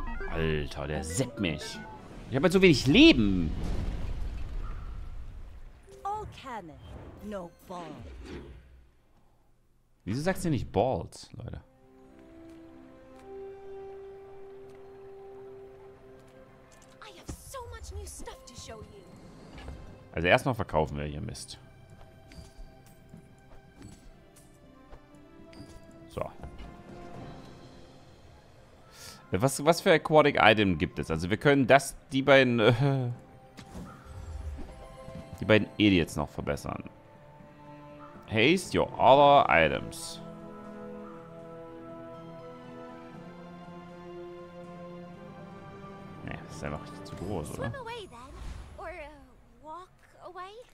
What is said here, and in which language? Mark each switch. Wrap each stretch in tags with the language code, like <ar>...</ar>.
<de>Alter, der seppt mich. Ich habe jetzt so wenig Leben.</de> <en>All cannon, no ball.</en> <de>Wieso sagst du nicht Balls, Leute?</de> <en>I have so much new stuff to show you.</en> <de>Also erstmal verkaufen wir hier Mist. So. Was für Aquatic Item gibt es? Also wir können das, die beiden Idiots noch verbessern.</de> <en>Haste your other items.</en> <de>Ne, das ist einfach zu groß, oder?</de> <en>Swim away then, or walk away?</en>